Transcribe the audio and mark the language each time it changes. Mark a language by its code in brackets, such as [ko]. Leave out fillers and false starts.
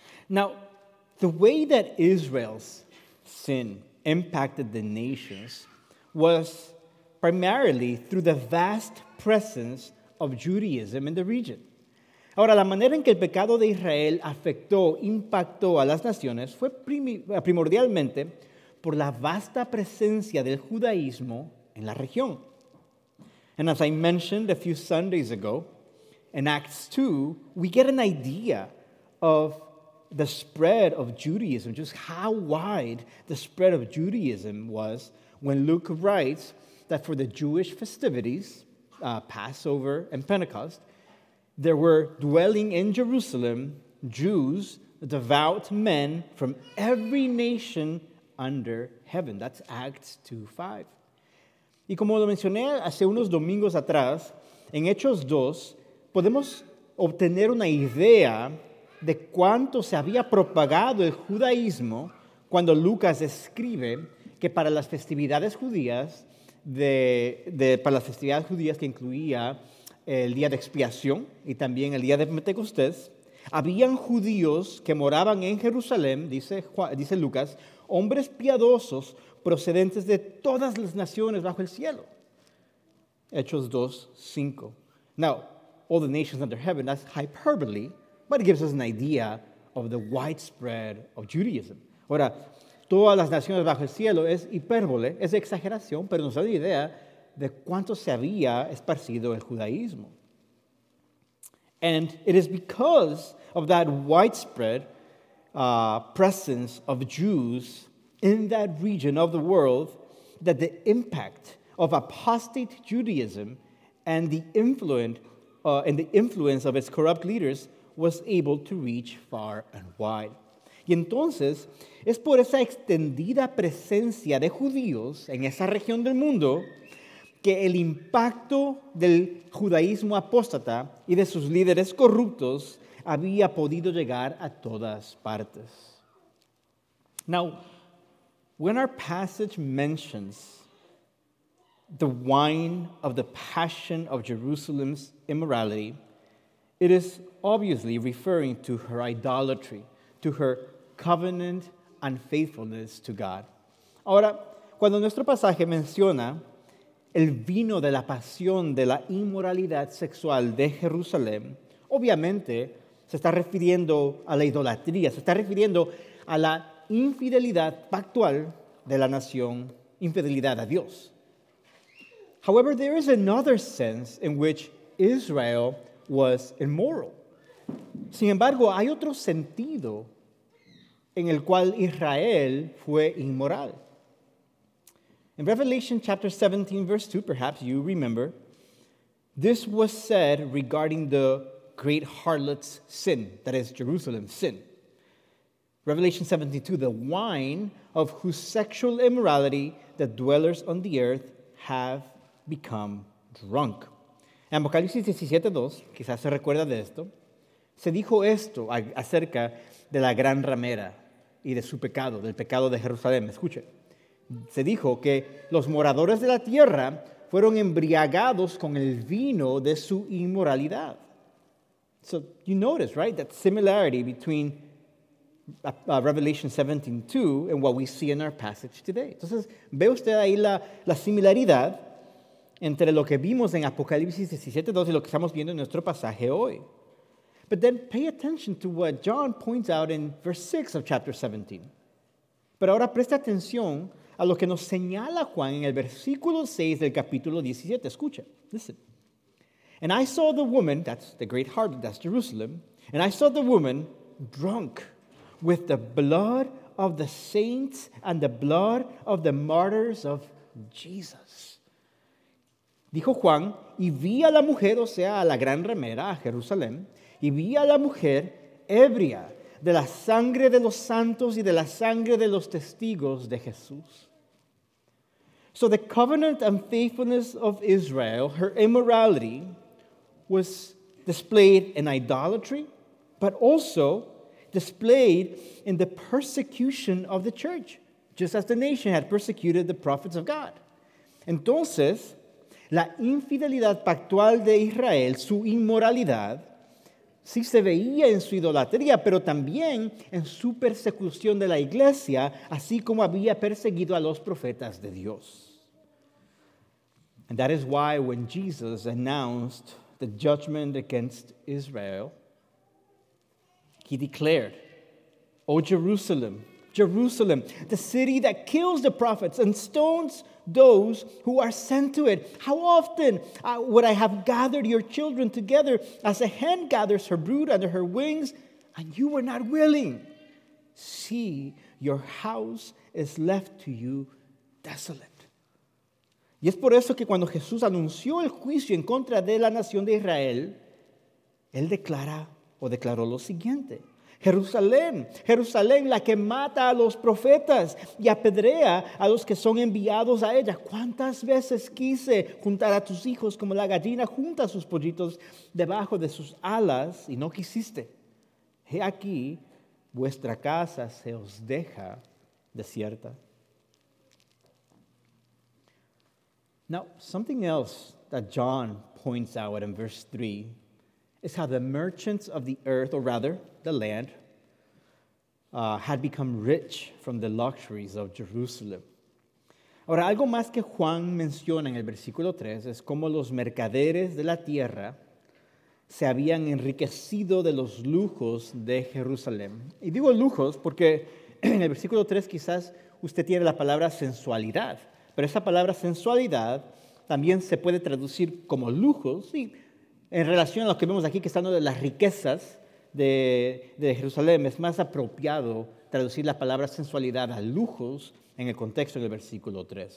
[en] Now, the way that Israel's sin impacted the nations was primarily through the vast presence of Judaism in the region. [es] Ahora, la manera en que el pecado de Israel afectó, impactó a las naciones fue primordialmente por la vasta presencia del judaísmo en la región. [en] And as I mentioned a few Sundays ago, in Acts 2, we get an idea of the spread of Judaism, just how wide the spread of Judaism was when Luke writes that for the Jewish festivities, Passover and Pentecost, there were dwelling in Jerusalem Jews, devout men from every nation under heaven. That's Acts 2:5. [es] Y como lo mencioné hace unos domingos atrás, en Hechos 2, podemos obtener una idea de cuánto se había propagado el judaísmo cuando Lucas escribe que para las festividades judías, para las festividades judías que incluía el día de expiación y también el día de Pentecostés, habían judíos que moraban en Jerusalén, dice Lucas, hombres piadosos procedentes de todas las naciones bajo el cielo. Hechos 2:5. [en] Now, all the nations under heaven, that's hyperbole, but it gives us an idea of the widespread of Judaism. [es] Ahora, todas las naciones bajo el cielo es hipérbole, es exageración, pero nos da una idea de cuánto se había esparcido el judaísmo. [en] And it is because of that widespread presence of Jews in that region of the world that the impact of apostate Judaism and the influence of its corrupt leaders was able to reach far and wide. [es] Y entonces, es por esa extendida presencia de judíos en esa región del mundo que el impacto del judaísmo apóstata y de sus líderes corruptos había podido llegar a todas partes. [en] Now, when our passage mentions the wine of the passion of Jerusalem's immorality, it is obviously referring to her idolatry, to her covenant and faithfulness to God. [es] Ahora, cuando nuestro pasaje menciona el vino de la pasión de la inmoralidad sexual de Jerusalén, obviamente se está refiriendo a la idolatría, se está refiriendo a la infidelidad pactual de la nación, infidelidad a Dios. [en] However, there is another sense in which Israel was immoral. [es] Sin embargo, hay otro sentido en el cual Israel fue inmoral. [en] In Revelation chapter 17, verse 2, perhaps you remember, this was said regarding the great harlot's sin, that is, Jerusalem's sin. Revelation 17:2, the wine of whose sexual immorality the dwellers on the earth have become drunk. [es] En Apocalipsis 17:2, quizás se recuerda de esto, se dijo esto acerca de la gran ramera y de su pecado, del pecado de Jerusalén. Escuche, se dijo que los moradores de la tierra fueron embriagados con el vino de su inmoralidad. [en] So you notice, right, that similarity between Revelation 17:2 and what we see in our passage today. [es] Entonces, ¿ve usted ahí la similaridad entre lo que vimos en Apocalipsis 17:2 y lo que estamos viendo en nuestro pasaje hoy? [en] But then pay attention to what John points out in verse 6 of chapter 17. [es] Pero ahora preste atención a lo que nos señala Juan en el versículo 6 del capítulo 17. Escucha, [en] listen. And I saw the woman, that's the great harlot, that's Jerusalem, and I saw the woman drunk with the blood of the saints and the blood of the martyrs of Jesus. [es] Dijo Juan, y vi a la mujer, o sea, a la gran ramera, a Jerusalén, y vi a la mujer ebria de la sangre de los santos y de la sangre de los testigos de Jesús. [en] So the covenant and faithfulness of Israel, her immorality, was displayed in idolatry, but also displayed in the persecution of the church, just as the nation had persecuted the prophets of God. [es] Entonces, la infidelidad pactual de Israel, su inmoralidad, sí se veía en su idolatría, pero también en su persecución de la iglesia, así como había perseguido a los profetas de Dios. [en] And that is why when Jesus announced the judgment against Israel, he declared, O Jerusalem, Jerusalem, the city that kills the prophets and stones those who are sent to it. How often would I have gathered your children together as a hen gathers her brood under her wings, and you were not willing. See, your house is left to you desolate. [es] Y es por eso que cuando Jesús anunció el juicio en contra de la nación de Israel, él declaró lo siguiente. Jerusalén, Jerusalén, la que mata a los profetas y apedrea a los que son enviados a ella. ¿Cuántas veces quise juntar a tus hijos como la gallina junta a sus pollitos debajo de sus alas y no quisiste? He aquí, vuestra casa se os deja desierta. [en] Now, something else that John points out in verse 3 is how the merchants of the earth, or rather, the land, had become rich from the luxuries of Jerusalem. [es] Ahora, algo más que Juan menciona en el versículo 3 es cómo los mercaderes de la tierra se habían enriquecido de los lujos de Jerusalén. Y digo lujos porque en el versículo 3 quizás usted tiene la palabra sensualidad, pero esa palabra sensualidad también se puede traducir como lujos, y en relación a lo que vemos aquí, que está hablando de las riquezas de Jerusalén, es más apropiado traducir la palabra sensualidad a lujos en el contexto del versículo 3.